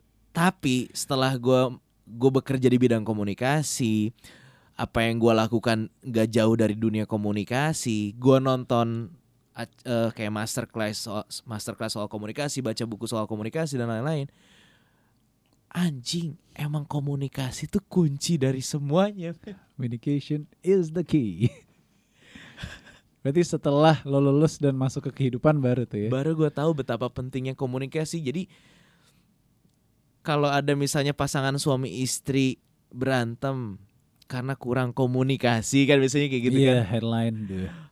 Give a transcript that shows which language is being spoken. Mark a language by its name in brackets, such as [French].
[Indonesian] Tapi setelah gue bekerja di bidang komunikasi, apa yang gue lakukan gak jauh dari dunia komunikasi, gue nonton kayak masterclass soal komunikasi, baca buku soal komunikasi dan lain-lain. Anjing, emang komunikasi tuh kunci dari semuanya. [English] Communication is the key. [Indonesian] Berarti setelah lo lulus dan masuk ke kehidupan baru tuh ya? Baru gue tahu betapa pentingnya komunikasi. Jadi kalau ada misalnya pasangan suami istri berantem karena kurang komunikasi kan biasanya kayak gitu, [English] yeah, [Indonesian] kan? Iya, headline dia.